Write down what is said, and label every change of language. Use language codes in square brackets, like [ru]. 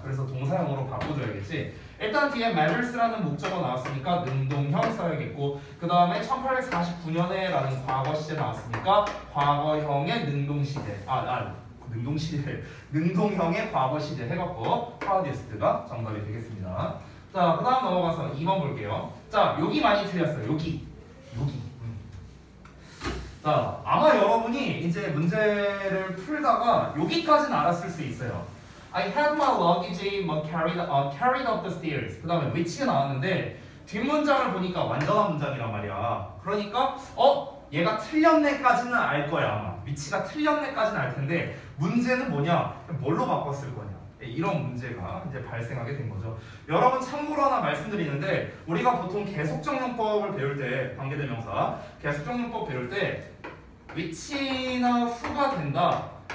[ko] 그래서 동사형으로 바꿔줘야겠지. 일단 뒤에 matters라는 목적어 나왔으니까 능동형 써야겠고, 그 다음에 1849년에 라는 과거시제 나왔으니까 과거형의 능동시제, 능동시제, 능동형의 과거시제 해갖고 protest가 정답이 되겠습니다. 자, 그 다음 넘어가서 2번 볼게요. 자, 여기 많이 틀렸어요. 여기. 자, 아마 여러분이 이제 문제를 풀다가 여기까지는 알았을 수 있어요. [en] I had my luggage carried up the stairs. [ko] 그 다음에 which가 나왔는데 뒷문장을 보니까 완전한 문장이란 말이야. 그러니까 얘가 틀렸네까지는 알 거야 아마. which가 틀렸네까지는 알 텐데 문제는 뭐냐? 뭘로 바꿨을 거냐? 이런 문제가 이제 발생하게 된 거죠. 여러분 참고로 하나 말씀드리는데, 우리가 보통 계속정용법을 배울 때, 관계대명사 계속정용법 배울 때 위치나 후가 된다